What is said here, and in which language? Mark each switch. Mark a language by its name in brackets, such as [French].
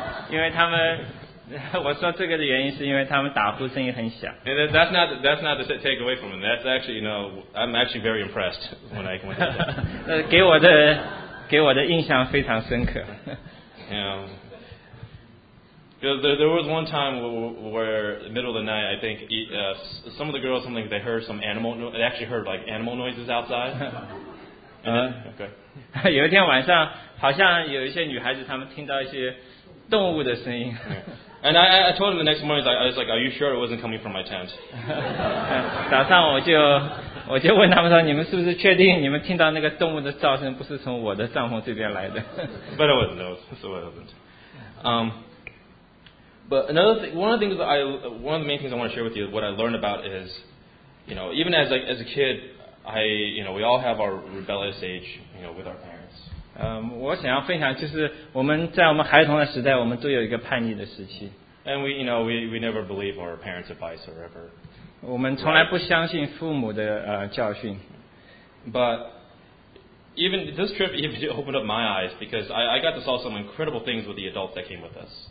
[Chinese] 因为他们，我说这个的原因是因为他们打呼声音很响。 [English] And that's not the take away from them. That's actually, you know, I'm actually very impressed when I went. [Chinese] 给我的印象非常深刻。 [English] Yeah. There was one time where middle of the night, I think some of the girls, something, they heard some animal. They actually heard like animal noises outside. Okay. [Chinese] 有一天晚上，好像有一些女孩子她们听到一些动物的声音。 [English] And I told him the next morning, I was like, are you sure it wasn't coming from my tent? [Chinese] 早上我就问他们说，你们是不是确定你们听到那个动物的噪声不是从我的帐篷这边来的？ [English] But it wasn't, so it wasn't. But another thing, one of the main things I want to share with you, what I learned about is, you know, even as a kid, I, you know, we all have our rebellious age, you know, with our parents. [Chinese] 我想要分享就是我们在我们孩童的时代，我们都有一个叛逆的时期。 [English] And we, you know, we never believe our parents' advice or ever. [Chinese] 我们从来不相信父母的教训。 [English] But even this trip even opened up my eyes because I got to saw some incredible things with the adults that came with us.